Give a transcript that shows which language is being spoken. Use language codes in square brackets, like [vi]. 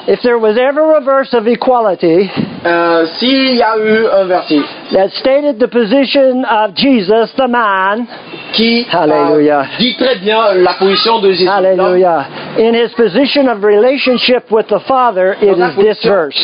[en] If there was ever a verse of equality, [fr] s'il y a eu un verset [en] that stated the position of Jesus, the man, [fr] qui dit très bien la position de Jésus, [en] hallelujah, in his position of relationship with the Father, it is this verse.